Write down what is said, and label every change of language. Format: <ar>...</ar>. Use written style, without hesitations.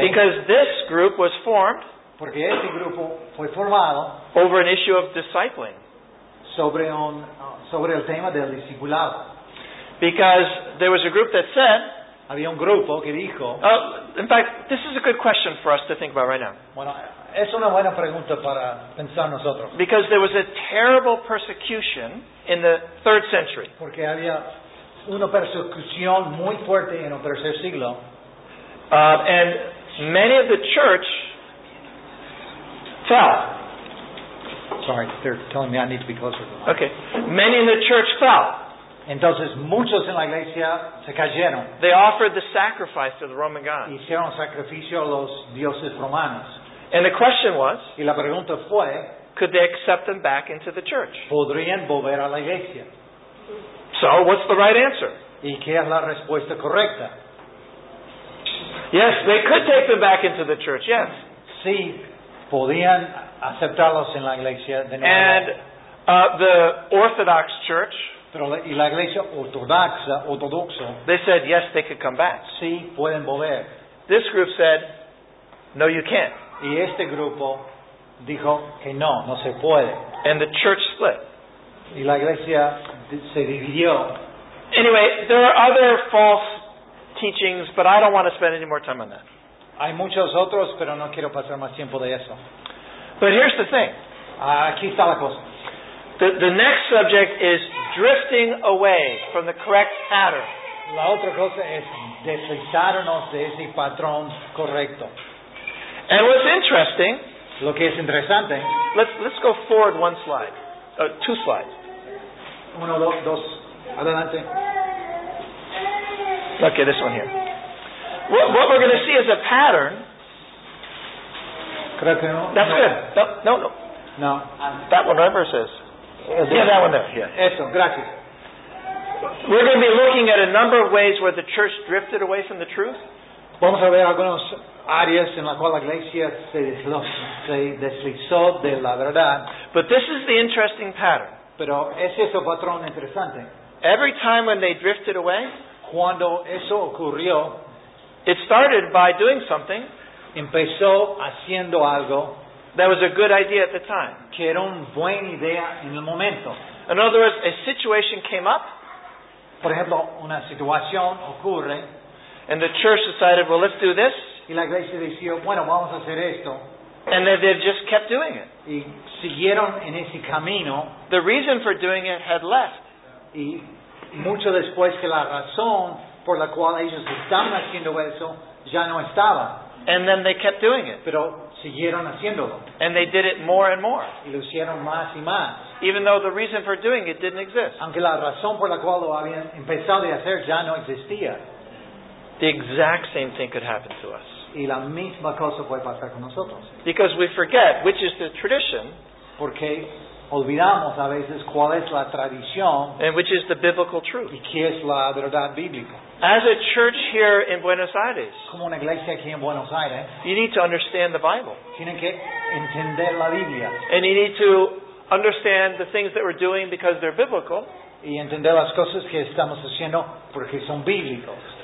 <en>Because this group was formed.</en> <es>Porque este grupo fue formado.</es> <en>Over an issue of discipling.</en> <es>Sobre el tema del discipulado.</es> <en>Because there was a group that said.</en> <es>Había un grupo que dijo.</es> <en>In fact, this is a good question for us to think about right now.</en> <es>Bueno, es una buena pregunta para pensar nosotros.</es> <en>Because there was a terrible persecution in the 3rd century.</en> <es>Porque había una persecución muy fuerte en el tercer siglo.</es> <en>And many of the church fell. Sorry, they're telling me I need to be closer to them. Okay. Many in the church fell.</en> <es>Entonces muchos en la iglesia se cayeron.</es> <en>They offered the sacrifice to the Roman gods.</en> <es>Hicieron sacrificio a los dioses romanos.</es> <en>And the question was,</en> <es>y la pregunta fue,</es> <en>could they accept them back into the church?</en> <es>¿Podrían volver a la iglesia?</es> <en>So, what's the right answer?</en> <es>¿Y qué es la respuesta correcta?</es> <en>Yes, they could take them back into the church, yes.</en> <es>Sí, podían aceptarlos en la iglesia de nuevo.</es> <en>And the Orthodox Church,</en> <es>pero la, y la iglesia ortodoxa, ortodoxa,</es> <en>they said, yes, they could come back.</en> <es>Sí, pueden volver.</es> <en>This group said, no, you can't.</en> <es>Y este grupo dijo que no, no se puede.</es> <en>And the church split.</en> <es>Y la iglesia se dividió.</es> <en>Anyway, there are other false teachings, but I don't want to spend any more time on that.</en> <es>Hay muchos otros, pero no quiero pasar más tiempo de eso.</es> <en>But here's the thing.</en> <es>Aquí está la cosa.</es> <en>The next subject is drifting away from the correct pattern.</en> <es>La otra cosa es deslizarnos de ese patrón correcto.</es> <en>And what's interesting,</en> <es>lo que es interesante,</es> <en>let's go forward one slide, two slides.</en> <es>Uno, dos, adelante.</es> <en>Okay, this one here. What we're going to see is a pattern.</en> <es>Creo que no.</es> <en>That's no. Good. No, no, no. No. That one, right, verses. Yeah, that one there. Yeah.</en> <es>Eso, gracias.</es> <en>We're going to be looking at a number of ways where the church drifted away from the truth.</en> <es>Vamos a ver algunas áreas en las cuales la iglesia se deslizó de la verdad.</es> <en>But this is the interesting pattern.</en> <es>Pero es ese patrón interesante.</es> <en>Every time when they drifted away,</en> <es>cuando eso ocurrió,</es> <en>it started by doing something.</en> <es>Empezó haciendo algo.</es> <en>That was a good idea at the time.</en> <es>Que era una buena idea en el momento.</es> <en>In other words, a situation came up.</en> <es>Por ejemplo, una situación ocurre.</es> <en>And the church decided, well, let's do this.</en> <es>Y la iglesia decía, bueno, vamos a hacer esto.</es> <en>And then they just kept doing it.</en> <es>Y siguieron en ese camino.</es> <en>The reason for doing it had left.</en> <es>Y mucho después que la razón por la cual ellos estaban haciendo eso ya no estaba.</es> <en>And then they kept doing it.</en> <es>Pero siguieron haciéndolo.</es> <en>And they did it more and more.</en> <es>Y lo hicieron más y más.</es> <en>Even though the reason for doing it didn't exist.</en> <es>Aunque la razón por la cual lo habían empezado a hacer ya no existía.</es> <en>The exact same thing could happen to us.</en> <es>Y la misma cosa puede pasar con nosotros.</es> <en>Because we forget which is the tradition.</en> <es>Porque olvidamos a veces cuál es la tradición.</es> <en>And which is the biblical truth.</en> <es>Y qué es la verdad bíblica.</es> <en>As a church here in Buenos Aires,</en> <es>como una iglesia aquí en Buenos Aires,</es> <en>you need to understand the Bible.</en> <es>Tienen que entender la Biblia.</es> <en>And you need to understand the things that we're doing because they're biblical.</en> <es>Y entender las cosas que estamos haciendo porque son bíblicos.</es>